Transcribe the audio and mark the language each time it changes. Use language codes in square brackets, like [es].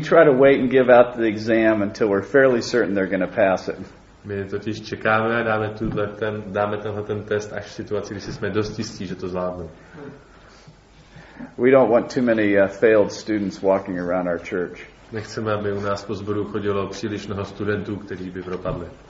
[en] try to wait and give out the exam until we're fairly certain they're going to pass it. [cs] My totiž čekáme a dáme tenhle ten test až v situaci, když jsme dost jistí, že to zvládnou. [en] We don't want too many failed students walking around our church. [cs] Nechceme, aby u nás po sboru chodilo příliš mnoho studentů, kteří by propadli.